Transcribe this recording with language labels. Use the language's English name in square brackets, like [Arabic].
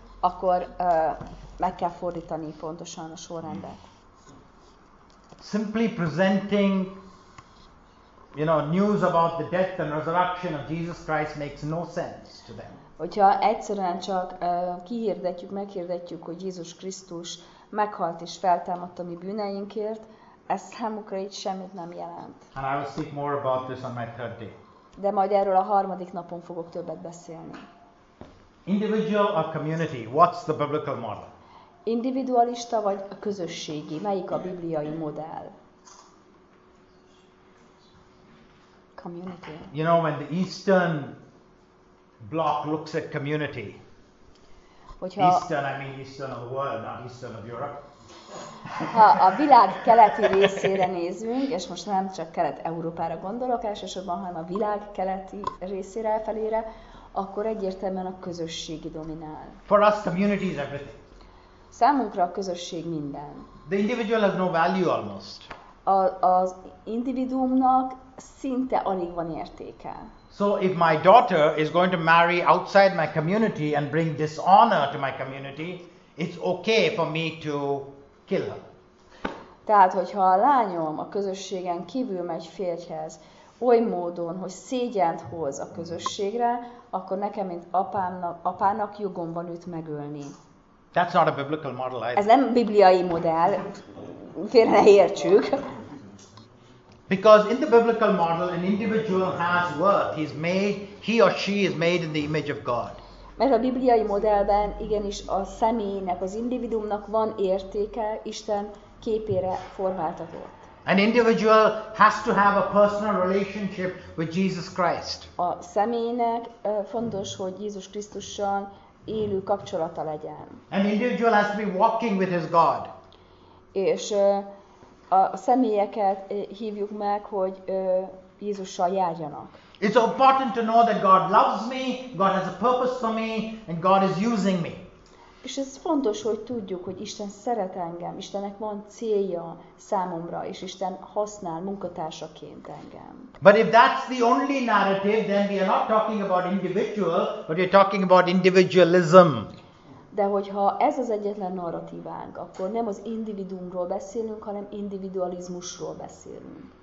[Hungarian] Akkor meg kell fordítani pontosan a sorrendet. [English] Simply presenting, you know, news about the death and resurrection of Jesus Christ makes no sense to them. [Hungarian] Hogyha egyszerűen csak meghirdetjük, hogy Jézus Krisztus meghalt és feltámadt a mi bűneinkért, ez számukra így semmit nem jelent. [English] And I will speak more about this on my third day. [Hungarian] De majd erről a harmadik napon fogok többet beszélni. [English] Individual or community? What's the biblical model? [Hungarian] Individualista vagy a közösségi? Melyik a bibliai modell? [English] Community. You know, when the Eastern bloc looks at community. [Hungarian] Hogyha [English] Eastern, I mean Eastern of the world, not Eastern of Europe. [Hungarian] Ha a világ keleti részére nézünk, és most nem csak Kelet-Európára gondolok elsősorban, hanem a világ keleti részére felére, akkor egyértelműen a közösségi dominál. [English] For us, community is everything. [Hungarian] Számunkra a közösség minden. [English] The individual has no value almost. [Hungarian] Az individuumnak szinte alig van értéke. [English] So if my daughter is going to marry outside my community and bring dishonor to my community, it's okay for me to kill her. [Hungarian] Tehát, hogyha a lányom a közösségen kívül megy férjhez, oly módon, hogy szégyent hoz a közösségre, akkor nekem, mint apának jogom van őt megölni. [English] That's not a biblical model either. [Hungarian] Ez nem bibliai modell, félre ne értsük. [English] Because in the biblical model, an individual has worth. He's made, he or she is made in the image of God. [Hungarian] Mert a bibliai modellben igenis a személynek, az individuumnak van értéke, Isten képére formáltatott. [English] An individual has to have a personal relationship with Jesus Christ. [Hungarian] A személynek fontos, hogy Jézus Krisztussal élő kapcsolata legyen. [English] An individual has to be walking with his God. [Hungarian] És a személyeket hívjuk meg, hogy Jézussal járjanak. [English] It's important to know that God loves me, God has a purpose for me, and God is using me. [Hungarian] És ez fontos, hogy tudjuk, hogy Isten szeret engem, Istennek van célja számomra, és Isten használ munkatársaként engem. [English] But if that's the only narrative, then we are not talking about individual, but we are talking about individualism. [Hungarian] De hogyha ez az egyetlen narratívánk, akkor nem az individuumról beszélünk, hanem individualizmusról beszélünk.